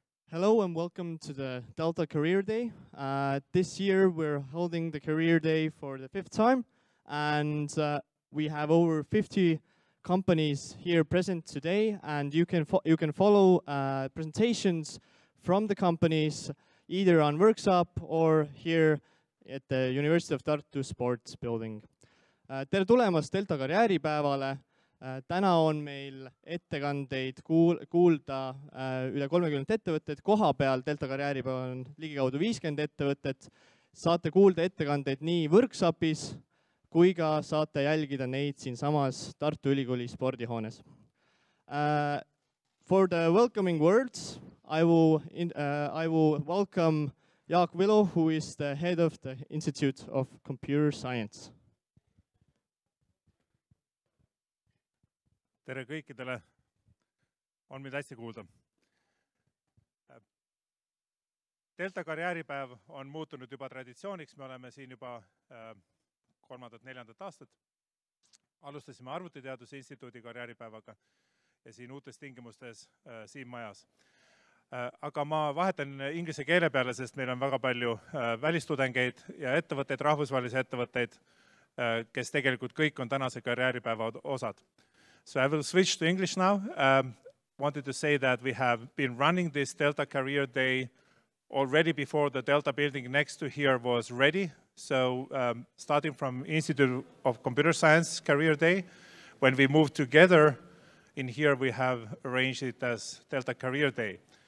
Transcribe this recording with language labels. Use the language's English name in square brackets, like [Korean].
[English] Hello and welcome to the Delta Career Day. This year we're holding the Career Day for the fifth time, and we have over 50 companies here present today. And you can follow presentations from the companies either on Worksop or here at the University of Tartu Sports Building. [Estonian] Tere tulemast Delta karjääripäevale. Täna on meil ettekandeid kuulda üle 30 ettevõtted. Koha peal Delta karjääripäev on ligikaudu 50 ettevõtted. Saate kuulda ettekandeid nii Worksopis kui ka saate jälgida neid siin samas Tartu Ülikooli spordihoones. [English] For the welcoming words, I will welcome Jaak Vilo, who is the head of the Institute of Computer Science. [Estonian] Tere kõikidele. On mida hästi kuulda. Delta karjääripäev on muutunud juba traditsiooniks. Me oleme siin juba kolmandat-neljandat aastat. Alustasime arvutiteaduse instituudi karjääripäevaga ja siin uutes tingimustes siin majas. Aga ma vahetan inglise keele peale, sest meil on väga palju välistudengeid ja ettevõtteid, rahvusvahelise ettevõtteid, kes tegelikult kõik on tänase karjääripäeva osad. [English] So I will switch to English now. Wanted to say that we have been running this Delta Career Day already before the Delta building next to here was ready. So starting from Institute of Computer Science Career Day, when we moved together in here, we have arranged it as Delta Career Day.